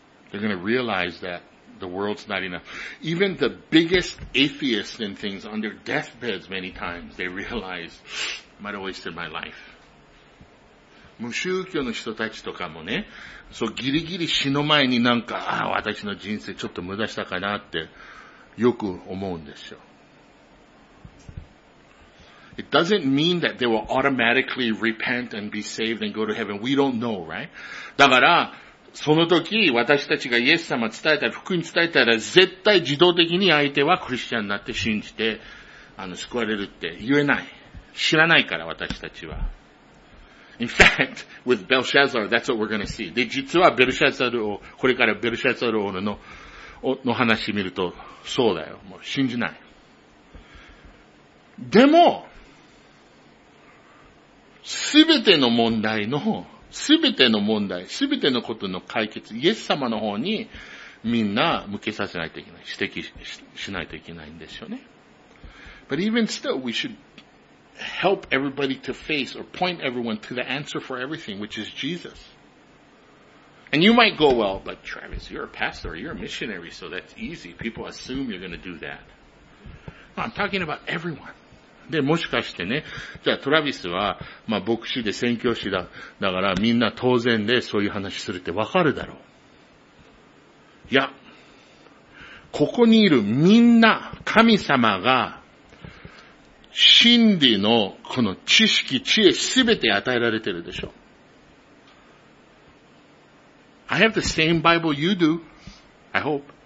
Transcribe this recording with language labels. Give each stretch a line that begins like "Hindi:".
English: They're going to realize thatThe world's not enough. Even the biggest atheists and things on their deathbeds many times, they realize, I might have wasted my life.
Japanese: 無宗教の人たちとかもね、そうギリギリ死の前になんか、私の人生ちょっと無駄したかなってよく思うんですよ。
English: It doesn't mean that they will automatically repent and be saved and go to heaven. We don't know, right?
Japanese: だから、その時、私たちがイエス様伝えたら、福音伝えたら、絶対自動的に相手はクリスチャンになって信じて、救われるって言えない。知らないから、私たちは。
English: In fact, with Belshazzar, that's what we're gonna see.
Japanese: で、実はベルシャザル王、これからベルシャザル王の話を見ると、そうだよ。もう信じない。でも、すべての問題の、すべての問題、すべてのことの解決、イエス様の方にみんな向けさせないといけない、指摘 しないといけないんですよね。
English: But even still, we should help everybody to face or point everyone to the answer for everything, which is Jesus. And you might go, well, but Travis, you're a pastor, you're a missionary, so that's easy. People assume you're going to do that. No, I'm talking about everyone.
Japanese: で、もしかしてね、じゃあトラビスは、まあ、牧師で宣教師だ。だから、みんな当然でそういう話するってわかるだろう。いや、ここにいるみんな、神様が、真理のこの知識、知恵すべて与えられてるでしょ。
English: I have the same Bible you do, I hope.